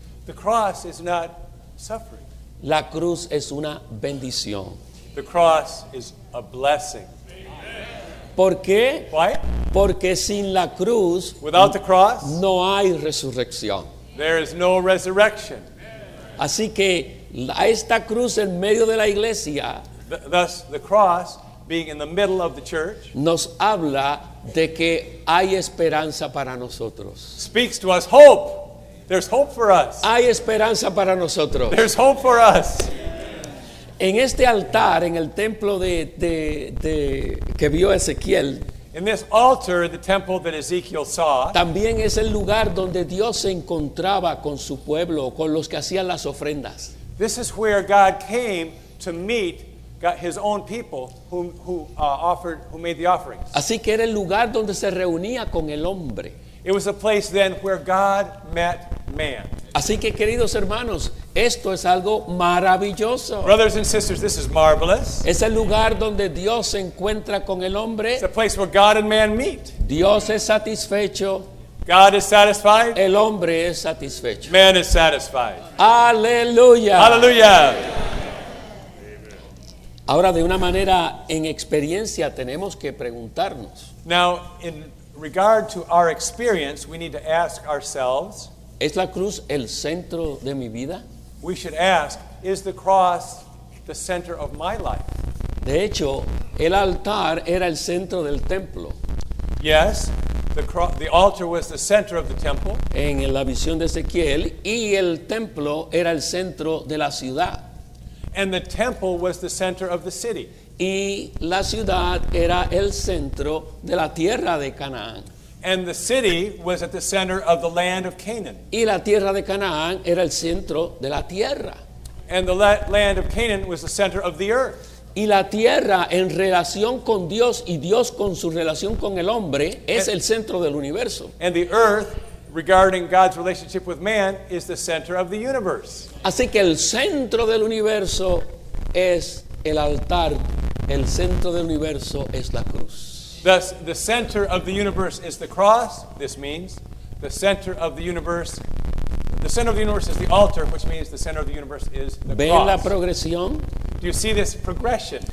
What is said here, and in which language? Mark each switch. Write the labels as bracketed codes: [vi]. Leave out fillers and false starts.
[en] The cross is not suffering. [es] La cruz es una bendición. [en] The cross is a blessing. [es] ¿Por qué? [en] Why? [es] Porque sin la cruz, [en] without the cross, [es] no hay resurrección. [en] There is no resurrection. [es] Así que a esta cruz en medio de la iglesia, [en] thus the cross being in the middle of the church, [es] nos habla de que hay esperanza para nosotros. [en] Speaks to us hope. There's hope for us. [es] Hay esperanza para nosotros. [en] There's hope for us. [es] En este altar, en el templo de que vio Ezequiel, [en] in this altar, the temple that Ezekiel saw, [es] también es el lugar donde Dios se encontraba con su pueblo, con los que hacían las ofrendas. [en] This is where God came to meet his own people who made the offerings. [es] Así que era el lugar donde se reunía con el hombre. [en] It was a place then where God met man. [es] Así que queridos hermanos, esto es algo maravilloso. [en] Brothers and sisters, this is marvelous. [es] Es el lugar donde Dios se encuentra con el hombre. [en] It's a place where God and man meet. [es] Dios es satisfecho. [en] God is satisfied. [es] El hombre es satisfecho. [en] Man is satisfied. [es] Aleluya. Aleluya. Ahora, de una manera en experiencia, tenemos que preguntarnos. [en] Now, in regard to our experience, we need to ask ourselves. [es] ¿Es la cruz el centro de mi vida? [en] We should ask, is the cross the center of my life? [es] De hecho, el altar era el centro del templo. [en] Yes, the altar was the center of the temple. [es] En la visión de Ezequiel, y el templo era el centro de la ciudad. [en] And the temple was the center of the city. [es] Y la ciudad era el centro de la tierra de Canaán. [en] And the city was at the center of the land of Canaan. [es] Y la tierra de Canaán era el centro de la tierra. [en] And the land of Canaan was the center of the earth. [es] Y la tierra en relación con Dios y Dios con su relación con el hombre es el centro del universo. [en] And the earth, regarding God's relationship with man, is the center of the universe. [es] Así que el centro del universo es el altar. El centro del universo es la cruz. [en] Thus, the center of the universe is the cross. This means the center of the universe. The center of the universe is the altar, which means the center of the universe is the [es] ¿Ven [en] cross. [es] ¿Ven la progresión? [en] Do you see this progression?